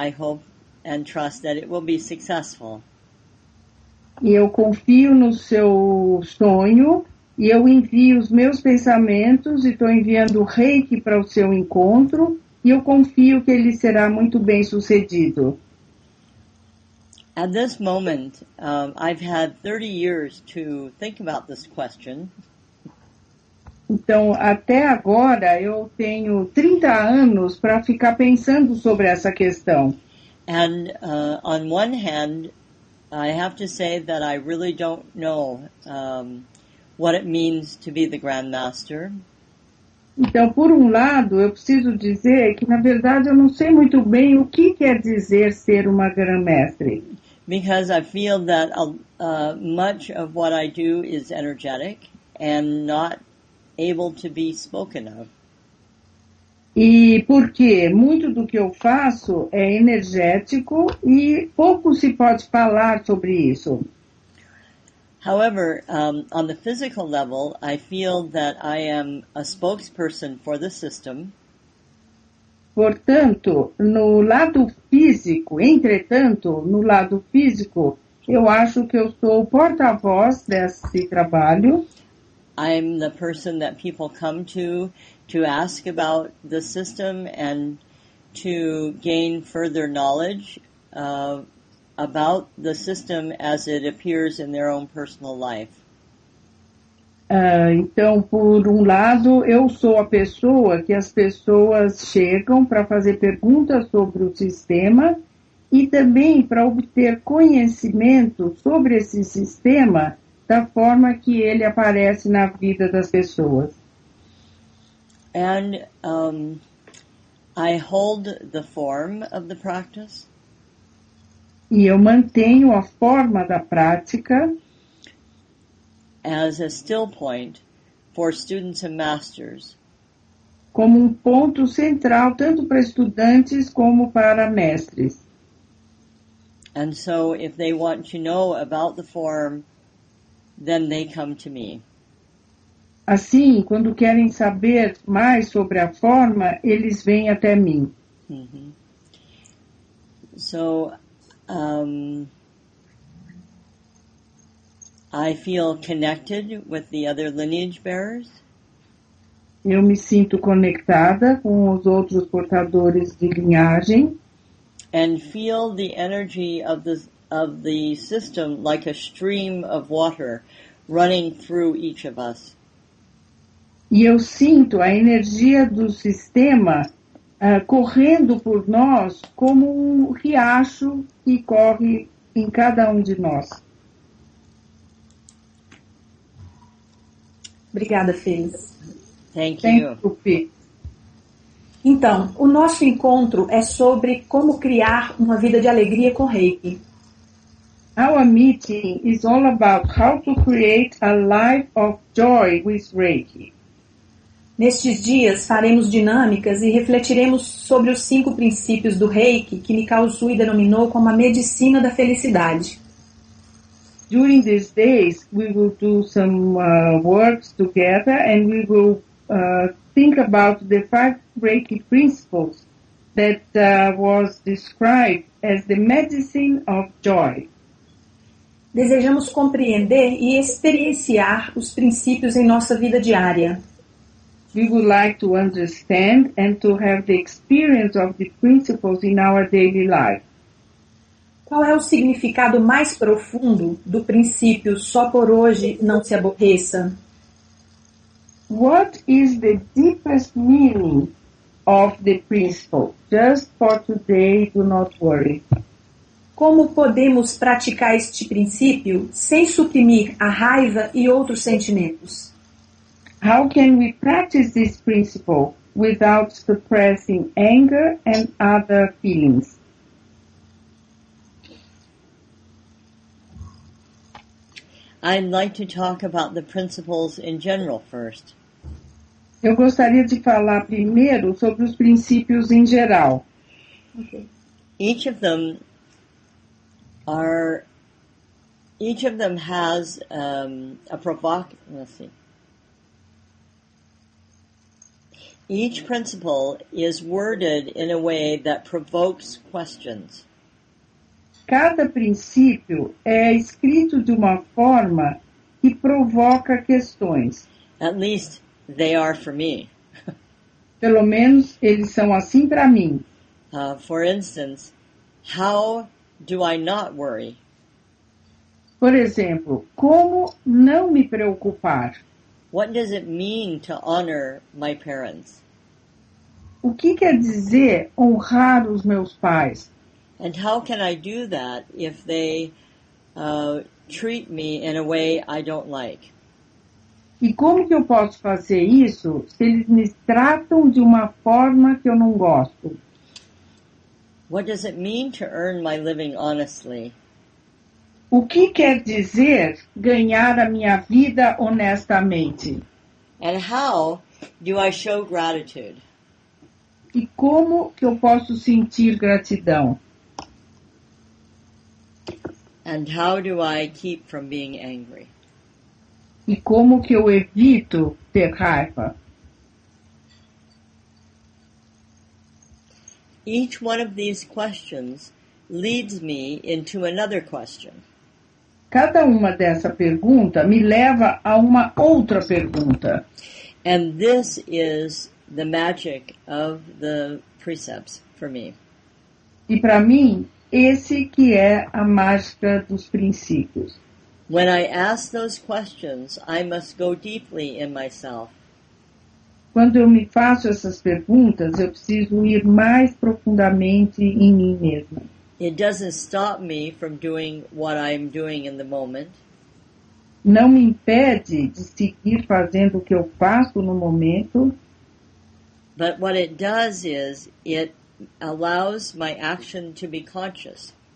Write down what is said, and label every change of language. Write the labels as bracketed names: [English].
[English] I hope and trust that it will be successful. [Portuguese] E eu confio no seu sonho e eu envio os meus pensamentos e estou enviando Reiki para o seu encontro e eu confio que ele será muito bem sucedido. [English] At this moment, I've had 30 years to think about this question. [Portuguese] Então, até agora, eu tenho 30 anos para ficar pensando sobre essa questão. [English] And, on one hand, I have to say that I really don't know what it means to be the Grand Master. [Portuguese] Então, por lado, eu preciso dizer que, na verdade, eu não sei muito bem o que quer dizer ser uma Grã-Mestre. [English] Because I feel that much of what I do is energetic and not able to be spoken of. [Portuguese] E porque muito do que eu faço é energético e pouco se pode falar sobre isso. [English] However, on the physical level, I feel that I am a spokesperson for the system. [Portuguese] Portanto, no lado físico, entretanto, no lado físico, eu acho que eu sou o porta-voz desse trabalho. [English] I'm the person that people come to ask about the system and to gain further knowledge about the system as it appears in their own personal life. [Portuguese] Então, por um lado, eu sou a pessoa que as pessoas chegam para fazer perguntas sobre o sistema e também para obter conhecimento sobre esse sistema da forma que ele aparece na vida das pessoas. [English] And I hold the form of the practice. [Portuguese] E eu mantenho a forma da prática [English] as a still point for students and masters. [Portuguese] Como um ponto central, tanto para estudantes como para mestres. [English] And so if they want to know about the form, then they come to me. [Portuguese] Assim, quando querem saber mais sobre a forma, eles vêm até mim. Mm-hmm. [English] So, I feel connected with the other lineage bearers. [Portuguese] Eu me sinto conectada com os outros portadores de linhagem. [English] And feel the energy of the system like a stream of water running through each of us. [Portuguese] E eu sinto a energia do sistema correndo por nós como um riacho que corre em cada de nós. Obrigada, Felix. [English] Thank you. [Portuguese] Então, o nosso encontro é sobre como criar uma vida de alegria com Reiki. [English] Our meeting is all about how to create a life of joy with Reiki. [Portuguese] Nestes dias, faremos dinâmicas e refletiremos sobre os 5 princípios do Reiki que Mikao Sui denominou como a medicina da felicidade. [English] During these days, we will do some works together and we will think about the 5 Reiki principles that was described as the medicine of joy. [Portuguese] Desejamos compreender e experienciar os princípios em nossa vida diária. [English] We would like to understand and to have the experience of the principles in our daily life. [Portuguese] Qual é o significado mais profundo do princípio só por hoje não se aborreça? [English] What is the deepest meaning of the principle? Just for today, do not worry. [Portuguese] Como podemos praticar este princípio sem suprimir a raiva e outros sentimentos? [English] How can we practice this principle without suppressing anger and other feelings? I'd like to talk about the principles in general first. [Portuguese] Eu gostaria de falar primeiro sobre os princípios em geral. [English] Okay. Each principle is worded in a way that provokes questions. [Portuguese] Cada princípio é escrito de uma forma que provoca questões. [English] At least they are for me. [Portuguese] Pelo menos eles são assim para mim. [English] For instance, how do I not worry? [Portuguese] Por exemplo, como não me preocupar? [English] What does it mean to honor my parents? [Portuguese] O que quer dizer honrar os meus pais? [English] And how can I do that if they treat me in a way I don't like? [Portuguese] E como que eu posso fazer isso se eles me tratam de uma forma que eu não gosto? [English] What does it mean to earn my living honestly? [Portuguese] O que quer dizer ganhar a minha vida honestamente? [English] And how do I show gratitude? [Portuguese] E como que eu posso sentir gratidão? [English] And how do I keep from being angry? [Portuguese] E como que eu evito ter raiva? [English] Each one of these questions leads me into another question. [Portuguese] Cada uma dessa pergunta me leva a uma outra pergunta. [English] And this is the magic of the precepts for me. [Portuguese] E para mim, esse que é a mágica dos princípios. [English] When I ask those questions, I must go deeply in myself. [Portuguese] Quando eu me faço essas perguntas, eu preciso ir mais profundamente em mim mesma. [English] It doesn't stop me from doing what I'm doing in the moment. [Portuguese] Não me impede de seguir fazendo o que eu faço no momento. [English] But what it does is it allows my action to be conscious.